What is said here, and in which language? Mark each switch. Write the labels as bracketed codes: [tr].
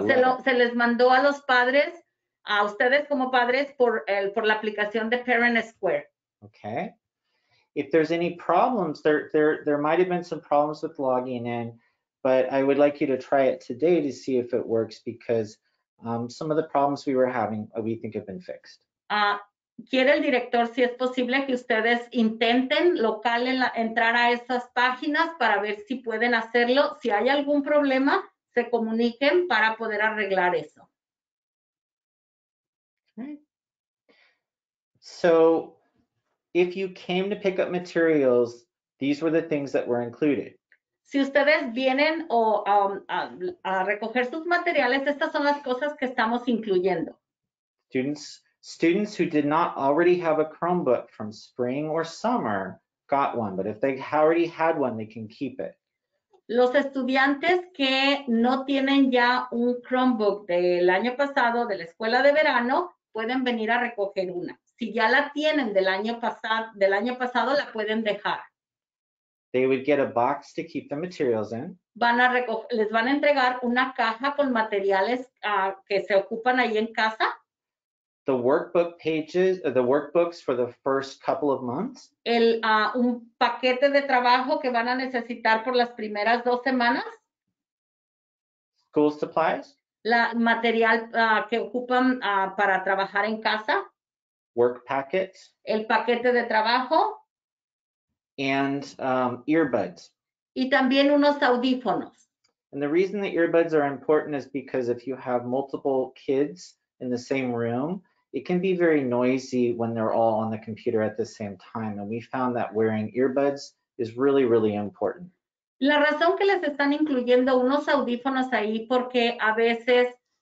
[es] Se les mandó a los padres, a ustedes como padres, por la aplicación de Parent Square. [en] Okay. If there's any problems, there might have been some problems with logging in, but I would like you to try it today to see if it works, because some of the problems we were having, we think have been fixed. [es] Quiere el director, si es posible, que ustedes intenten local entrar a esas páginas para ver si pueden hacerlo. Si hay algún problema, se comuniquen para poder arreglar eso. [en] Okay. So, if you came to pick up materials, these were the things that were included. [es] Si ustedes vienen a recoger sus materiales, estas son las cosas que estamos incluyendo. [en] Students who did not already have a Chromebook from spring or summer got one, but if they already had one, they can keep it. [es] Los estudiantes que no tienen ya un Chromebook del año pasado de la escuela de verano pueden venir a recoger una. Si ya la tienen del año pasado, la pueden dejar. [en] They would get a box to keep the materials in. [es] Les van a entregar una caja con materiales que se ocupan ahí en casa. [en] The workbook pages, the workbooks for the first couple of months. [es] Un paquete de trabajo que van a necesitar por las primeras dos semanas. [en] School supplies. [es] La material que ocupan para trabajar en casa. [en] Work packets. [es] El paquete de trabajo. [en] And earbuds. [es] Y también unos audífonos. [en] And the reason the earbuds are important is because if you have multiple kids in the same room, it can be very noisy when they're all on the computer at the same time. And we found that wearing earbuds is really, really important. [es] La razón que les están incluyendo unos audífonos ahí, porque a veces